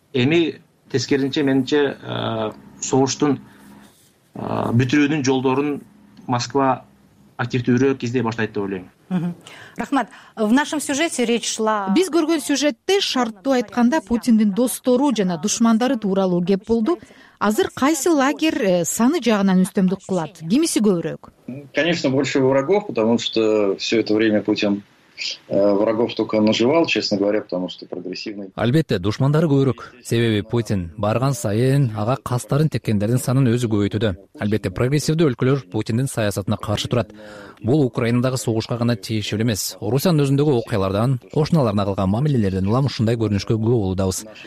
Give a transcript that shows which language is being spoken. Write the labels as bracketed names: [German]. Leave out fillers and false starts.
[Kyrgyz] Эми тескерисинче менимче согуштун бүтүрүүнүн жолдорун Москва активдүүрөөк издей баштайт деп ойлойм. [Russian] Рахмат. В нашем сюжете речь шла. [Kyrgyz] Биз көргөн сюжетте шарттуу айтканда Путиндин достору жана душмандары тууралуу кеп болду. Азыр кайсы лагерь саны жагынан үстөмдүк кылат? Кимиси көбүрөөк? [Russian] Конечно, больше врагов, потому что все это время Путин врагов только наживал, честно говоря, потому что прогрессивный. [Kyrgyz] Албетте, душмандары көбүрөөк. Себеби Путин барган сайын ага кастарын теккендердин санын өзү көбөйтүүдө. Албетте, прогрессивдүү өлкөлөр Путиндин саясатына каршы турат. Бул Украинадагы согушка гана тиешелүү эмес. Орусиянын өзүндөгү окуялардан, кошуналарына кылган мамилелерден улам ушундай көрүнүшкө күбө болуудабыз.